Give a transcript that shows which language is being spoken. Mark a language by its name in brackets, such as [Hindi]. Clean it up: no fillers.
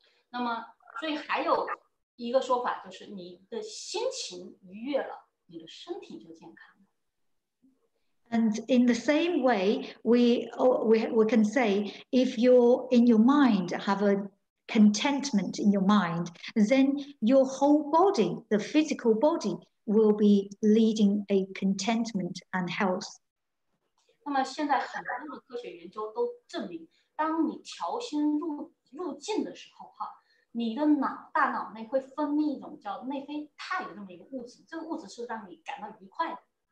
[Chinese] 那么，所以还有一个说法就是，你的心情愉悦了，你的身体就健康了。 [English] And in the same way, we can say, if you're in your mind, have a contentment in your mind, then your whole body, the physical body, will be leading a contentment and health. [Chinese] 那么现在很多的科学研究都证明，当你调心入境的时候，你的大脑内会分泌一种叫内啡肽的那么一个物质，这个物质是让你感到愉快的。